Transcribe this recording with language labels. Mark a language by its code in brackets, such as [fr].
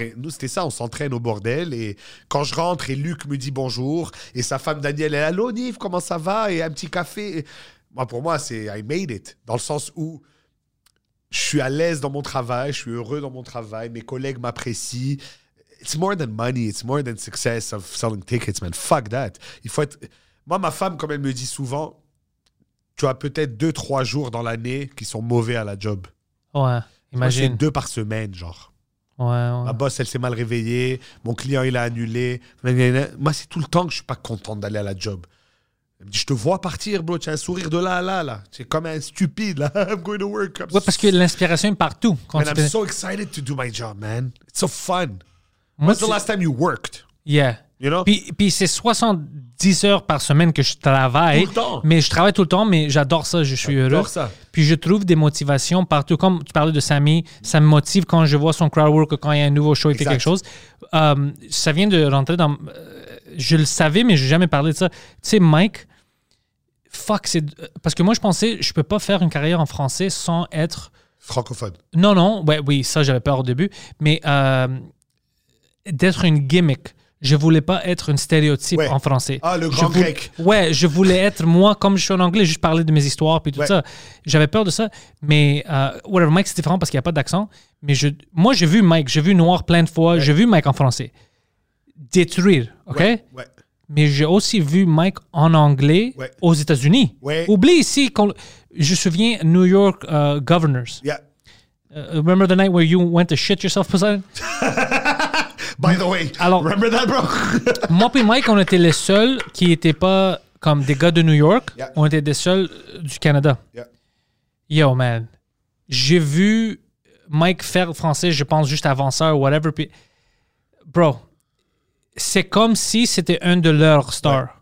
[fr] Et nous, c'était ça, on s'entraîne au bordel. Et quand je rentre, et Luc me dit bonjour, et sa femme Danielle, elle est allô, Niv, comment ça va? Et un petit café. Moi, pour moi, c'est « [en] I made it [fr] », dans le sens où je suis à l'aise dans mon travail, je suis heureux dans mon travail, mes collègues m'apprécient. [en] It's more than money, it's more than success of selling tickets, man. Fuck that. [fr] Il faut être... Moi, ma femme, comme elle me dit souvent, tu as peut-être 2-3 jours dans l'année qui sont mauvais à la job. Ouais, imagine. C'est 2 par semaine, genre. Ouais, ouais. Ma boss, elle s'est mal réveillée, mon client, il a annulé. Moi, c'est tout le temps que je ne suis pas content d'aller à la job. Je te vois partir, bro. Tu as un sourire de là à là, là. Tu es comme un stupide, là. [en] I'm going to work. [fr] Ouais, parce que l'inspiration est partout. [en] Quand man, I'm so excited to do my job, man. It's so fun. When's the last time you worked? Yeah. You know? [fr] Puis c'est 70 heures par semaine que je travaille. Tout le temps. Mais je travaille tout le temps, mais j'adore ça. Je suis heureux. J'adore ça. Puis je trouve des motivations partout. Comme tu parlais de Sammy, ça me motive quand je vois son crowd work, quand il y a un nouveau show, il fait quelque chose. Ça vient de rentrer dans... Je le savais, mais je n'ai jamais parlé de ça. Tu sais, Mike, fuck, c'est... Parce que moi, je pensais, je ne peux pas faire une carrière en français sans être... Francophone. Non, non. Ouais, oui, ça, j'avais peur au début. Mais d'être une gimmick. Je ne voulais pas être un stéréotype en français. Ah, le grand grec. Ouais, je voulais être moi, comme je suis en anglais, juste parler de mes histoires puis tout ça. J'avais peur de ça. Mais whatever, Mike, c'est différent parce qu'il n'y a pas d'accent. Mais moi, j'ai vu Mike. J'ai vu Noir plein de fois. Ouais. J'ai vu Mike en français. Détruire, OK? Ouais, Mais j'ai aussi vu Mike en anglais aux États-Unis. Ouais. Oublie ici, je me souviens New York Governors. [en] Yeah. Remember the night where you went to shit yourself, Poseidon? By the way, alors, remember that, bro? [fr] Moi et Mike, on était les seuls qui n'étaient pas comme des gars de New York. [en] Yeah. [fr] On était les seuls du Canada. [en] Yeah. Yo, man. [fr] J'ai vu Mike faire français, je pense, juste avant ça ou whatever. Puis, bro, c'est comme si c'était un de leurs stars.